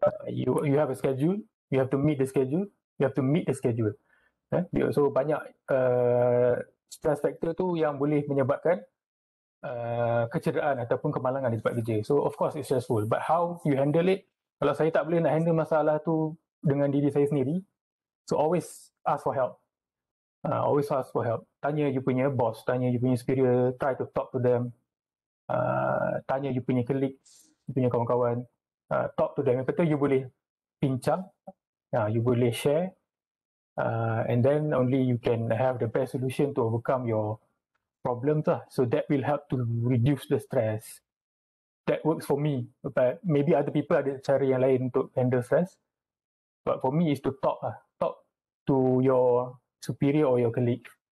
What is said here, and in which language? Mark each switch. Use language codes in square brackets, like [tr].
[en] You have a schedule, you have to meet the schedule, you have to meet the schedule. Yeah? [ms] So banyak stress factor tu yang boleh menyebabkan kecederaan ataupun kemalangan di tempat kerja. [en] So of course it's stressful, but how you handle it? Kalau saya tak boleh nak handle masalah tu dengan diri saya sendiri, so always ask for help. Always ask for help. Tanya you punya boss, tanya you punya superior, try to talk to them. Tanya you punya colleagues, you punya kawan-kawan. Talk to them. [ms] Kata you boleh bincang, you boleh share. [en] And then only you can have the best solution to overcome your problems lah. So that will help to reduce the stress. That works for me. But maybe other people ada cara yang lain untuk handle stress. But for me is to talk lah. Talk to your superior or your colleague.